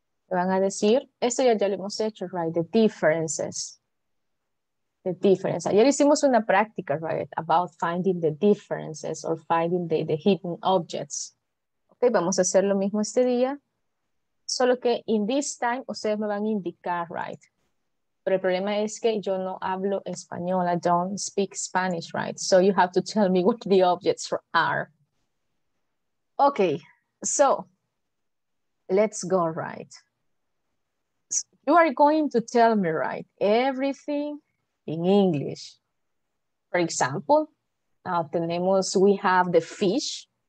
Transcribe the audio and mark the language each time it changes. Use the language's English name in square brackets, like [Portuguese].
[Spanish] Me van a decir, esto ya lo hemos hecho, right? [English] The differences. The difference. [Spanish] Ayer hicimos una práctica, right? [English] About finding the differences or finding the hidden objects. [Spanish] Ok, vamos a hacer lo mismo este día. Solo que [English] in this time, [Spanish] ustedes me van a indicar, right? Pero el problema es que yo no hablo español. [English] I don't speak Spanish, right? So you have to tell me what the objects are. Okay, so let's go, right? You are going to tell me, right, everything in English. For example, we have the fish.